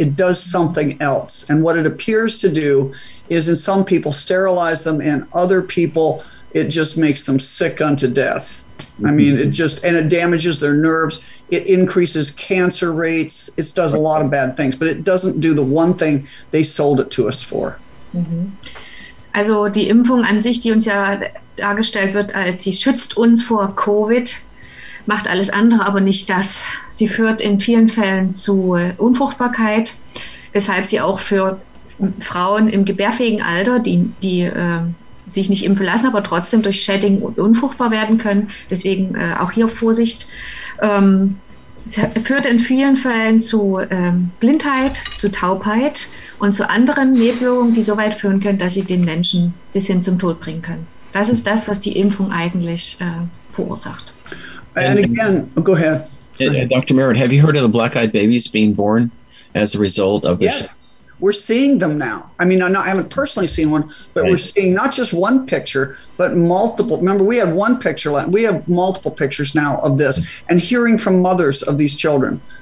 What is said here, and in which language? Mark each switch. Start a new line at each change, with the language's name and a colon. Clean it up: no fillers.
English: It does something else. And what it appears to do is in some people sterilize them and other people, it just makes them sick unto death. Mm-hmm. I mean, it just, and it damages their nerves. It increases cancer rates. It does a lot of bad things, but it doesn't do the one thing they sold it to us for. Mm-hmm.
German: Also die Impfung an sich, die uns ja dargestellt wird, als sie schützt uns vor Covid, macht alles andere, aber nicht das. Sie führt in vielen Fällen zu Unfruchtbarkeit, weshalb sie auch für Frauen im gebärfähigen Alter, die sich nicht impfen lassen, aber trotzdem durch Shedding unfruchtbar werden können. Deswegen auch hier Vorsicht. Es führt in vielen Fällen zu Blindheit, zu Taubheit und zu anderen Nebenwirkungen, die so weit führen können, dass sie den Menschen bis hin zum Tod bringen können. Das ist das, was die Impfung eigentlich verursacht.
English: And again, go ahead. Dr. Merritt, have you heard of the black-eyed babies being born as a result of this? Yes. We're seeing them now. I mean, I haven't personally seen one, but right. We're seeing not just one picture, but multiple. Remember, we had one picture. We have multiple pictures now of this and hearing from mothers of these children.